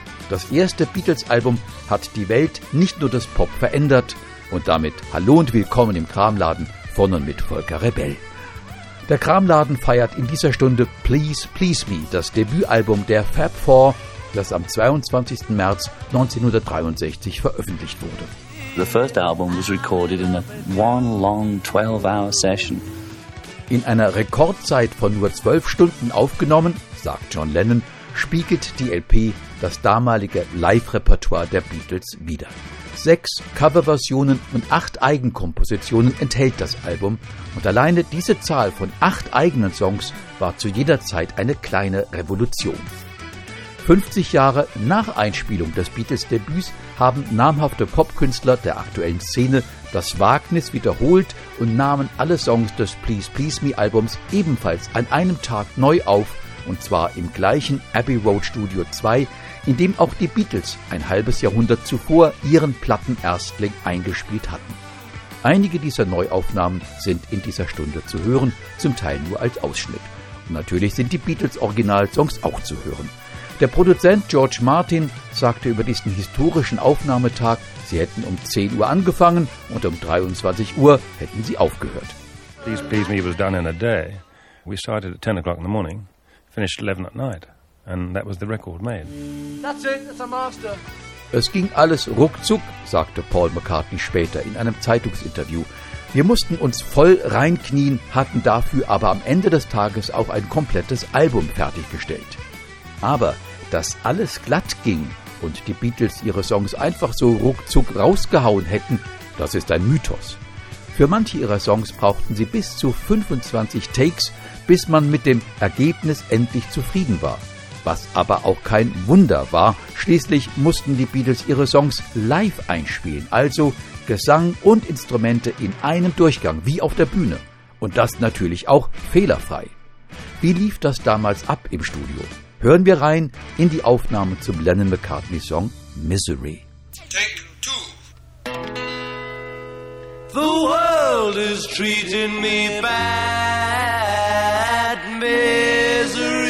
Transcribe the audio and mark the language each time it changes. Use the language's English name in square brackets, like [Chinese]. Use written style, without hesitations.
[German] Das erste Beatles-Album hat die Welt, nicht nur das Pop, verändert. Und damit hallo und willkommen im Kramladen von und mit Volker Rebell. Der Kramladen feiert in dieser Stunde Please Please Me, das Debütalbum der Fab Four, das am 22. März 1963 veröffentlicht wurde. [English] The first album was recorded in a one long 12-hour session. [German] In einer Rekordzeit von nur 12 Stunden aufgenommen, sagt John Lennon, spiegelt die LP das damalige Live-Repertoire der Beatles wider. 6 Coverversionen und 8 Eigenkompositionen enthält das Album und alleine diese Zahl von 8 eigenen Songs war zu jeder Zeit eine kleine Revolution. 50 Jahre nach Einspielung des Beatles-Debüts haben namhafte Popkünstler der aktuellen Szene das Wagnis wiederholt und nahmen alle Songs des Please Please Me-Albums ebenfalls an einem Tag neu auf, und zwar im gleichen Abbey Road Studio 2, in dem auch die Beatles ein halbes Jahrhundert zuvor ihren Plattenerstling eingespielt hatten. Einige dieser Neuaufnahmen sind in dieser Stunde zu hören, zum Teil nur als Ausschnitt. Und natürlich sind die Beatles-Originalsongs auch zu hören. Der Produzent George Martin sagte über diesen historischen Aufnahmetag, sie hätten um 10 Uhr angefangen und um 23 Uhr hätten sie aufgehört. [English] Please Please Me was done in a day. We started at 10 o'clock in the morning, finished 11 at night. And that was the record made. That's it, that's a master. [German] Es ging alles ruckzuck, sagte Paul McCartney später in einem Zeitungsinterview. Wir mussten uns voll reinknien, hatten dafür aber am Ende des Tages auch ein komplettes Album fertiggestellt. Aber dass alles glatt ging und die Beatles ihre Songs einfach so ruckzuck rausgehauen hätten, das ist ein Mythos. Für manche ihrer Songs brauchten sie bis zu 25 Takes, bis man mit dem Ergebnis endlich zufrieden war. Was aber auch kein Wunder war, schließlich mussten die Beatles ihre Songs live einspielen, also Gesang und Instrumente in einem Durchgang, wie auf der Bühne. Und das natürlich auch fehlerfrei. Wie lief das damals ab im Studio? Hören wir rein in die Aufnahme zum Lennon-McCartney-Song Misery. [English] Take 2. The world is treating me bad, misery.